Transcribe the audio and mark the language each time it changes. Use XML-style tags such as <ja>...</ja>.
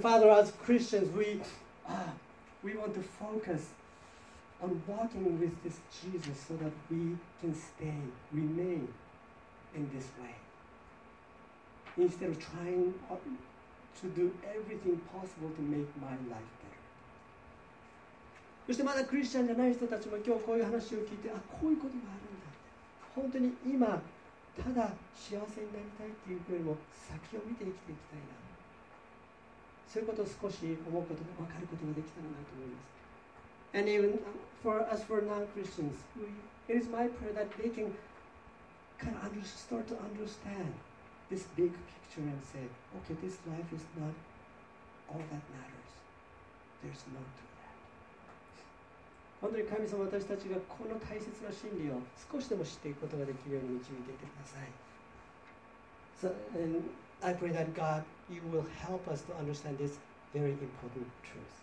<en>And Father, as Christians, we want to focus on walking with this Jesus so that we can stay, remain in this way. Instead of trying to do everything possible to make my life better.</en> <ja>そしてまだクリスチャンじゃない人たちも今日こういう話を聞いて、あ、こういうことがあるんだって。本当に今ただ幸せになりたいっていうよりも先を見て生きていきたいな。そういうことを少し思うことが分かることができたらなと思います。</ja> <en>And even for as for non-Christians, it is my prayer that they can kind of start to understand. This big picture and say, okay, this life is not all that matters. There's more to that.</en> <ja>本当に神様、私たちがこの大切な真理を少しでも知っていくことができるように導いていてください。</ja> <en>So, and I pray that God, you will help us to understand this very important truth.</en>